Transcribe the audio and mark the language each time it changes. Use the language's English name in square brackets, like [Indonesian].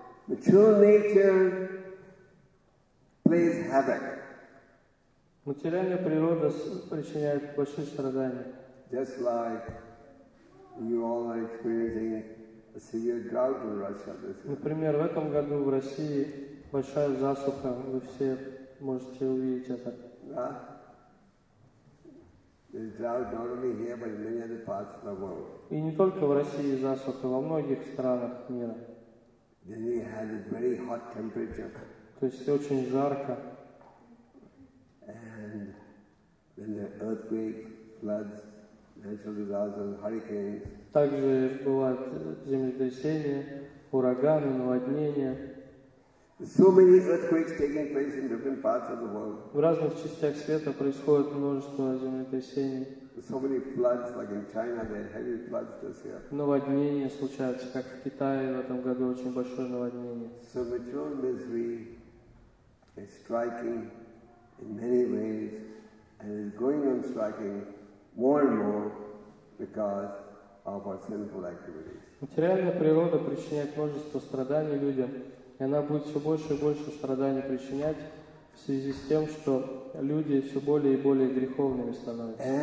[English] The true nature plays havoc. [Russian] Материальная природа причиняет большие страдания. [English] Just like you all are experiencing a severe drought in Russia this year. [Russian] Например, в этом году в России большая засуха. Вы все можете увидеть это. [English] There's drought not only here, but in many other parts of the world. [Russian] И не только в России засуха, во многих странах мира. [English] Then we had a very hot temperature. [Russian] То есть очень жарко. [English] And then the earthquake, floods, natural disasters, hurricanes. [Russian] Также бывают землетрясения, ураганы, наводнения. [English] So many earthquakes taking place in different parts of the world. [Russian] В разных частях света происходит множество землетрясений. [English] So many floods, like in China, they had heavy floods this year. [Russian] Наводнения случаются, как в Китае в этом году очень большое наводнение. [English] So material misery is striking in many ways, and is going on striking more and more because of our sinful activities. [Russian] Материальная природа причиняет множество страданий людям. И она будет все больше и больше страданий причинять в связи с тем, что люди все более и более греховными становятся.